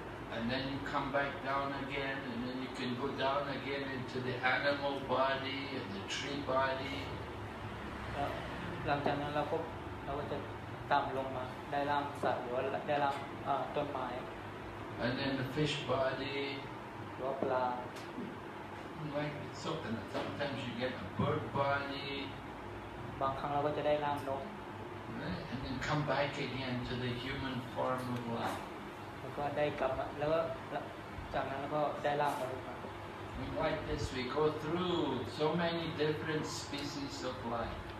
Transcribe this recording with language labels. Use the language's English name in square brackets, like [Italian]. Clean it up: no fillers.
[English] And then you come back down again and then you can go down again into the animal body and the tree body [Thai] หลังจากนั้นเราก็จะต่ำลงมาได้ร่างสัตว์หรือได้ร่างต้นไม้ [English] And then the fish body [Thai] หรือปลา [English] Like so and sometimes you get a bird body [Thai] บางครั้งเราก็จะได้ร่างนก [English] and then come back again to the human form of life [Thai] แล้วก็ได้กลับแล้วจากนั้นเราก็ได้ร่างมนุษย์มา [English] we like this we go through so many different species of life